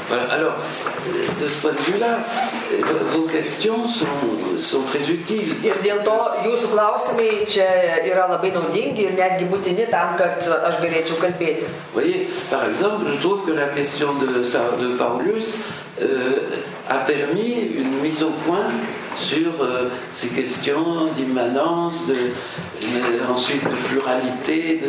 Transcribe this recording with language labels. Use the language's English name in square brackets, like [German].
[French] Alors, de ce point de vue-là, vos questions sont très utiles. [Lithuanian] Ir dėl to jūsų klausimai čia yra labai naudingi ir netgi būtini tam, kad aš galėčiau kalbėti. [French] Vous voyez, par exemple, je trouve que la question de Paulus a permis une mise au point sur ces questions d'immanence, ensuite de pluralité.